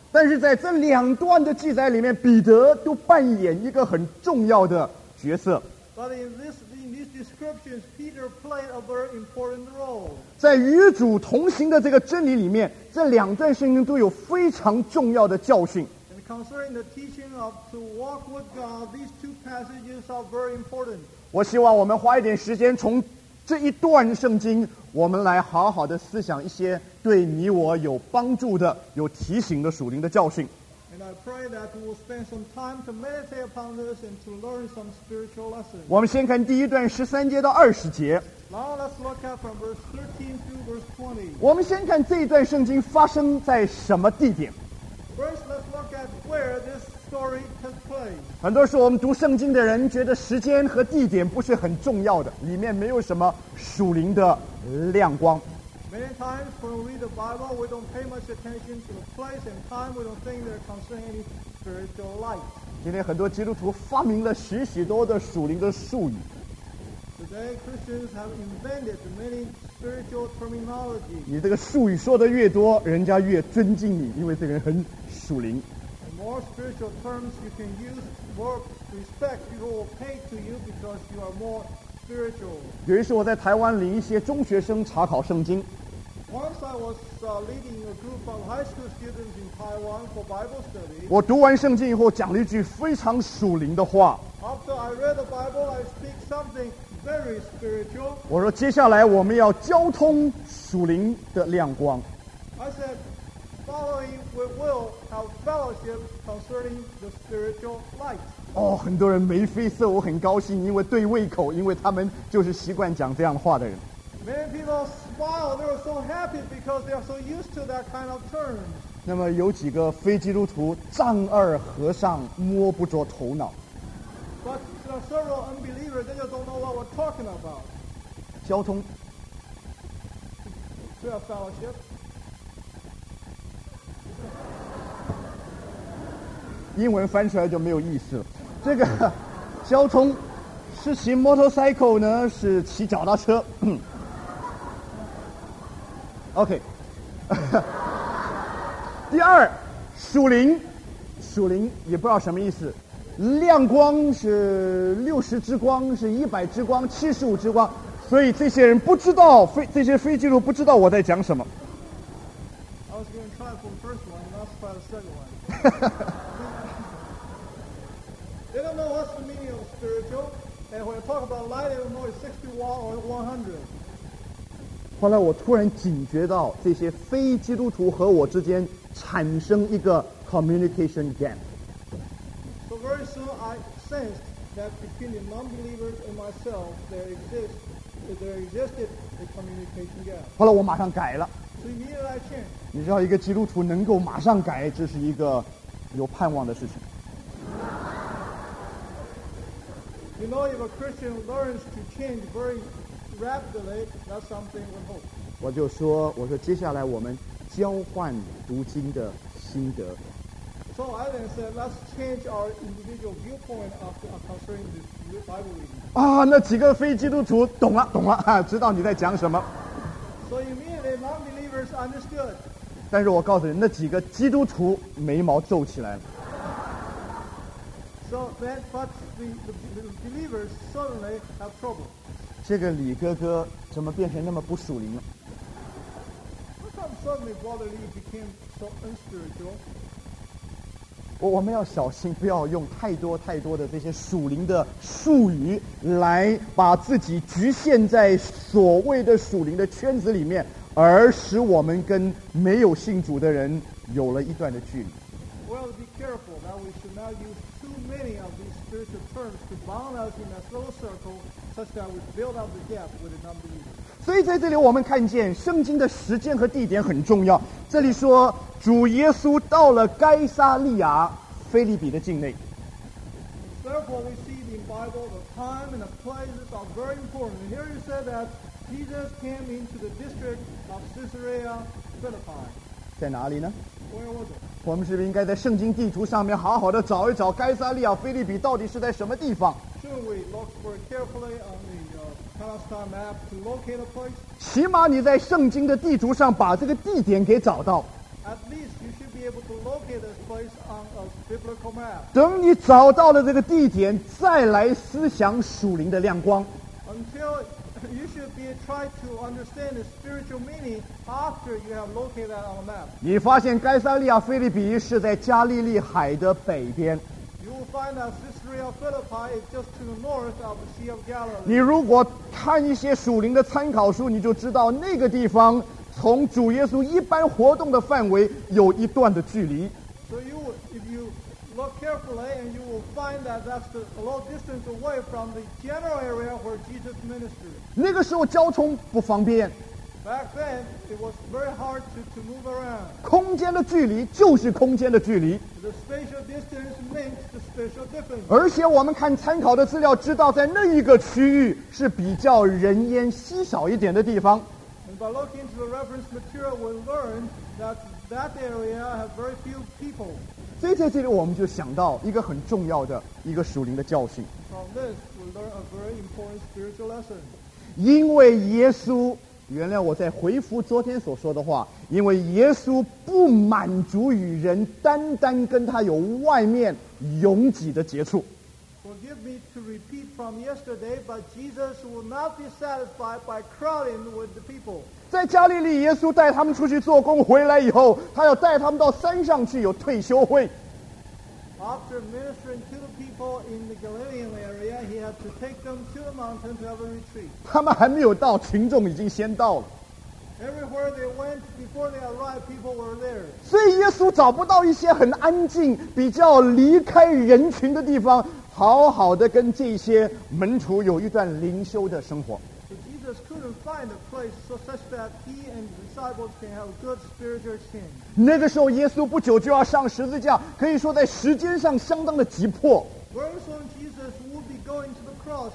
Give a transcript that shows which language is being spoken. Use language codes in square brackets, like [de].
[zh] 但是在这两段的记载里面，彼得都扮演一个很重要的角色。 [en] But in these descriptions, Peter played a very important role. [zh] 在与主同行的这个真理里面，这两段圣经都有非常重要的教训。 [en] And concerning the teaching of to walk with God, these two passages are very important. [zh] 我希望我们花一点时间，从这一段圣经，我们来好好的思想一些对你我有帮助的、有提醒的属灵的教训。 [en] And I pray that we will spend some time to meditate upon this and to learn some spiritual lessons. [zh] 我们先看第一段十三节到二十节。 [en] Now let's look at from verse 13 to verse 20. [zh] 我们先看这一段圣经发生在什么地点。 [en] First, let's look at where this story took place. [zh] 很多时候我们读圣经的人觉得时间和地点不是很重要的，里面没有什么属灵的亮光。 [en] Many times when we read the Bible, we don't pay much attention to the place and time. We don't think they're concerning any spiritual light. [zh] 今天很多基督徒发明了许许多的属灵的术语。 [en] Today, Christians have invented many spiritual terminology. [zh] 你这个术语说的越多，人家越尊敬你，因为这个人很属灵。 [en] The more spiritual terms you can use, more respect people will pay to you because you are more. [zh] 有一次我在台湾领一些中学生查考圣经。 [en] Once I was leading a group of high school students in Taiwan for Bible study. [zh] 我读完圣经以后讲了一句非常属灵的话。 [en] After I read the Bible, I speak something very spiritual. [zh] 我说接下来我们要交通属灵的亮光。 [en] I said, following we will have fellowship concerning the spiritual light. [zh] 哦，很多人眉飞色舞，很高兴，因为对胃口，因为他们就是习惯讲这样的话的人。 [en] Many people smile; they are so happy because they are so used to that kind of term. [zh] 那么有几个非基督徒，丈二和尚摸不着头脑。 [en] But there are several unbelievers; they just don't know what we're talking about. [zh] 交通。 [en] To have fellowship. [zh] 英文翻出来就没有意思了。这个交通是骑 motorcycle 呢，是骑脚踏车。 OK 第二，属灵，属灵也不知道什么意思。亮光是60之光，是100之光，75之光，所以这些人不知道，这些非基督徒不知道我在讲什么。 [en] I was going to try for the first one, not try the second one. They don't know what's the meaning of spiritual, and when you talk about light, they don't know it's 61 or 100. [zh] 后来我突然警觉到，这些非基督徒和我之间产生一个 [en] communication gap. So very soon I sensed that between the non-believers and myself, there existed a communication gap. [zh] 后来我马上改了。 [en] So immediately I changed. [zh] 你知道一个基督徒能够马上改，这是一个有盼望的事情。 [en] You know, if a Christian learns to change very rapidly, that's something we hope. [zh] 我说接下来我们交换读经的心得。 [en] So I then said, let's change our individual viewpoint concerning the Bible reading. [zh] 啊，那几个非基督徒懂了，知道你在讲什么。 [en] So immediately non-believers understood. [zh] 但是我告诉你，那几个基督徒眉毛皱起来了。 [en] So then, but the believers suddenly have trouble. [zh] 这个李哥哥怎么变成那么不属灵了？ [en] How come suddenly Brother Lee became so unspiritual? [zh] 我们要小心，不要用太多的这些属灵的术语来把自己局限在所谓的属灵的圈子里面，而使我们跟没有信主的人有了一段的距离。 [en] Well, be careful that we should not use too many of these spiritual terms to bound us in a little circle such that we build up the gap with the non-believers. [zh] 所以在这里我们看见圣经的时间和地点很重要。这里说主耶稣到了该撒利亚腓立比的境内。 [en] Therefore, we see in the Bible the time and the places are very important. Here you say that Jesus came into the district of Caesarea Philippi. [zh] 在哪里呢？ [en] Where was it? [zh] 我们是不是应该在圣经地图上面好好的找一找该撒利亚腓立比到底是在什么地方？ [en] Should we look very carefully on the Palestine map to locate a place? [zh] 起码你在圣经的地图上把这个地点给找到。 [en] At least you should be able to locate this place on a biblical map. [zh] 等你找到了这个地点，再来思想属灵的亮光。 [en] Until you should be trying to understand the spiritual meaning after you have located that on the map. [zh] 你发现该撒利亚腓立比是在加利利海的北边。 [en] You will find that Caesarea Philippi is just to the north of the Sea of Galilee. [zh] 你如果看一些属灵的参考书，你就知道那个地方从主耶稣一般活动的范围有一段的距离。 [en] So you, if you look carefully, and you will find that that's a little distance away from the general area where Jesus ministered. [zh] 那个时候交通不方便。 [en] Back then, it was very hard to move around. [zh] 空间的距离就是空间的距离。 [en] The spatial distance makes the spatial difference. [zh] 而且我们看参考的资料知道，在那一个区域是比较人烟稀少一点的地方。 [en] And by looking into the reference material, we learn that area has very few people. [zh] 所以在这里我们就想到一个很重要的一个属灵的教训。 [en] From this, we learn a very important spiritual lesson. [zh] 因为耶稣，原谅我在回复昨天所说的话，因为耶稣不满足于人单单跟他有外面拥挤的接触。 [en] Forgive me to repeat from yesterday, but Jesus will not be satisfied by crowding with the people. [zh] 在加利利耶稣带他们出去做工，回来以后他要带他们到山上去有退休会。 [en] After ministering to the people in the Galilean area, he had to take them to the mountain to have a retreat. [zh] 他们还没有到，群众已经先到了。 [en] Everywhere they went before they arrived, people were there. [zh] 所以耶稣找不到一些很安静比较离开人群的地方，好好的跟这些门徒有一段灵修的生活。 [en] Couldn't find a place so such that he and the disciples can have a good spiritual exchange. [zh] 那个时候耶稣不久就要上十字架，可以说在时间上相当的急迫。 [en] Very soon Jesus would be going to the cross.